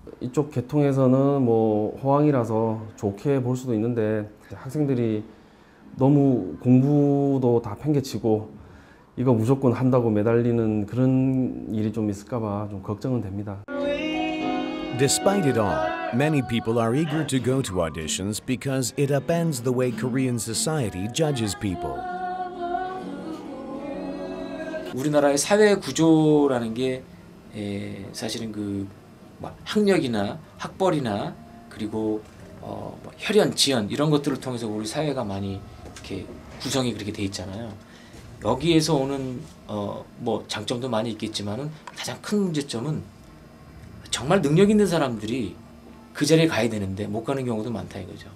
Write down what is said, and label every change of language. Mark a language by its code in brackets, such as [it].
[ko] 이쪽 계통에서는 뭐 호황이라서 좋게 볼 수도 있는데 학생들이 너무 공부도 다 팽개치고 이거 무조건 한다고 매달리는 그런 일이 좀 있을까 봐 좀 걱정은 됩니다. [en] Despite it all, many people are eager to go to auditions because it upends the way Korean society judges people. [ko] 우리나라의 사회 구조라는 게 사실은 그 학력이나 학벌이나 그리고 혈연, 지연 이런 것들을 통해서 우리 사회가 많이 이렇게 구성이 그렇게 돼 있잖아요. 여기에서 오는 뭐 장점도 많이 있겠지만은 가장 큰 문제점은 정말 능력 있는 사람들이 그 자리에 가야 되는데 못 가는 경우도 많다 이거죠.